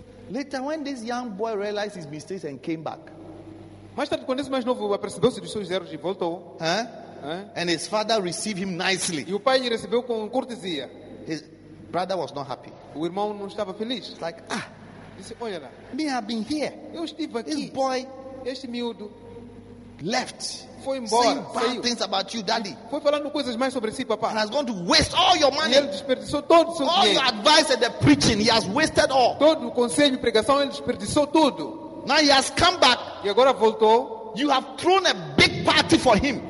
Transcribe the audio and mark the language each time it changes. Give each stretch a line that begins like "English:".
English: Later, when this young boy realized his mistakes and came back.
Portuguese: Mais tarde, quando esse mais novo apercebeu-se dos seus erros e voltou.
English: And his father received him nicely.
Portuguese: E o pai recebeu com cortesia.
English: His brother was not happy.
Portuguese: O irmão não estava feliz.
English: It's like, ah,
Portuguese: disse, olha lá.
English: Me have been here.
Portuguese: Eu estive aqui.
English: This boy,
Portuguese: este miúdo,
English: left.
Portuguese: Foi embora.
English: Saying bad things about you, daddy.
Portuguese: Foi falando coisas mais sobre si, papá.
English: And has gone to waste all your money.
Portuguese: E ele desperdiçou todo o seu dinheiro.
English: All your advice and the preaching, he has wasted all.
Portuguese: Todo o conselho e pregação, ele desperdiçou tudo.
English: Now he has come back.
Portuguese: E agora voltou.
English: You have thrown a big party for him.